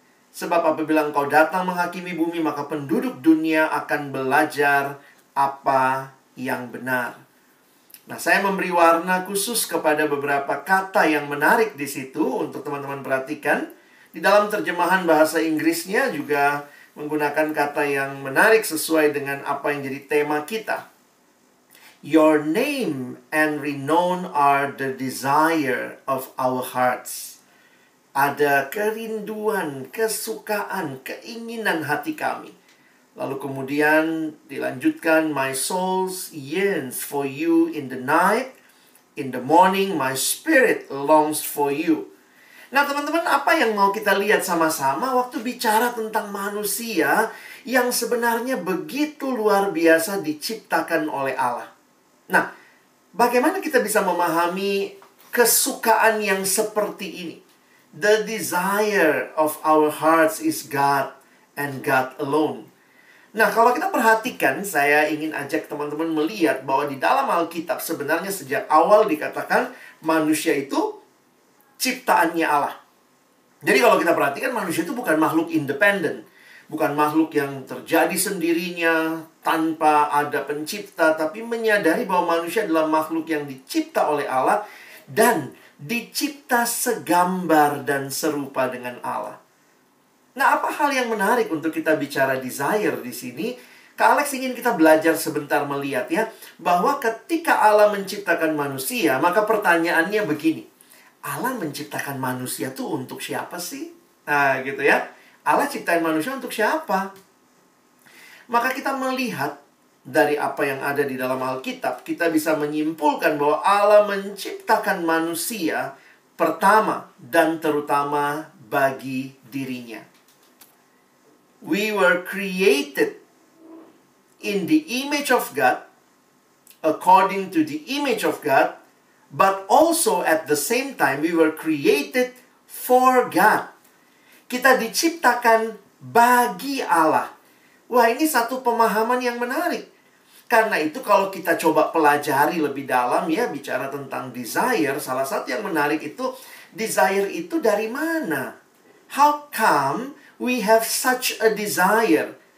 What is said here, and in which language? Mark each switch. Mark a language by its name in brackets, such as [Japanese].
[Indonesian] Sebab apabila Engkau datang menghakimi bumi, maka penduduk dunia akan belajar apa yang benar. Nah, saya memberi warna khusus kepada beberapa kata yang menarik di situ untuk teman-teman perhatikan. Di dalam terjemahan bahasa Inggrisnya juga menggunakan kata yang menarik sesuai dengan apa yang jadi tema kita. [English] Your name and renown are the desire of our hearts. [Indonesian] Ada kerinduan, kesukaan, keinginan hati kami. Lalu kemudian dilanjutkan, [English] my soul yearns for you in the night, in the morning my spirit longs for you. [Indonesian] Nah, teman-teman, apa yang mau kita lihat sama-sama waktu bicara tentang manusia yang sebenarnya begitu luar biasa diciptakan oleh Allah. Nah, bagaimana kita bisa memahami kesukaan yang seperti ini? [English] The desire of our hearts is God and God alone. [Indonesian] Nah, kalau kita perhatikan, saya ingin ajak teman-teman melihat bahwa di dalam Alkitab sebenarnya sejak awal dikatakan manusia itu ciptaannya Allah. Jadi kalau kita perhatikan, manusia itu bukan makhluk independen, bukan makhluk yang terjadi sendirinya tanpa ada pencipta, tapi menyadari bahwa manusia adalah makhluk yang dicipta oleh Allah dan dicipta segambar dan serupa dengan Allah. Nah, apa hal yang menarik untuk kita bicara desire di sini? Kak Alex ingin kita belajar sebentar melihat ya, bahwa ketika Allah menciptakan manusia, maka pertanyaannya begini. Allah menciptakan manusia tuh untuk siapa sih? Nah, gitu ya. Allah ciptain manusia untuk siapa? Maka kita melihat dari apa yang ada di dalam Alkitab, kita bisa menyimpulkan bahwa Allah menciptakan manusia pertama dan terutama bagi dirinya. [English] We were created in the image of God, according to the image of God, but also at the same time we were created for God. [Indonesian] Kita diciptakan bagi Allah. Wah, ini satu pemahaman yang menarik. Karena itu kalau kita coba pelajari lebih dalam ya, bicara tentang desire, salah satu yang menarik itu, desire itu dari mana? [English] How come we have such a desire?